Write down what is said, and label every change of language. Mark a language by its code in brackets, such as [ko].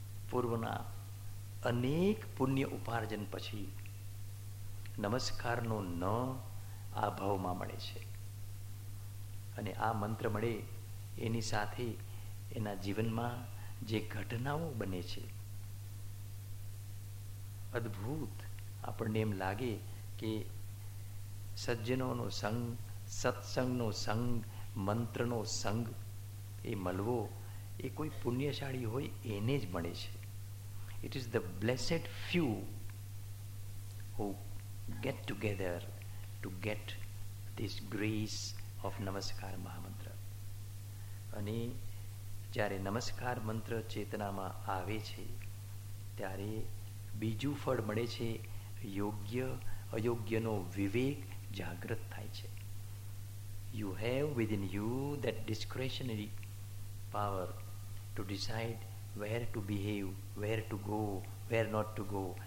[gu] પૂર્વના અનેક પુણ્ય ઉપાર્જન પછી નમસ્કારનો ન આ ભાવમાં મળે છે અને આ મંત્ર મળે એની સાથે એના જીવનમાં જે ઘટનાઓ બને છે અદ્ભુત. આપણને એમ લાગે કે સજ્જનોનો સંગ, સત્સંગનો સંગ, મંત્રનો સંગ એ મળવો એ કોઈ પુણ્યશાળી હોય એને જ મળે છે. [en] It is the blessed few who get together to get this grace of namaskar mahamantra. [gu] અને જ્યારે નમસ્કાર મંત્ર ચેતનામાં આવે છે ત્યારે બીજું ફળ મળે છે, યોગ્ય અયોગ્યનો વિવેક જાગૃત થાય છે. [en] You have within you that discretionary power to decide where to behave, where to go, where not to go.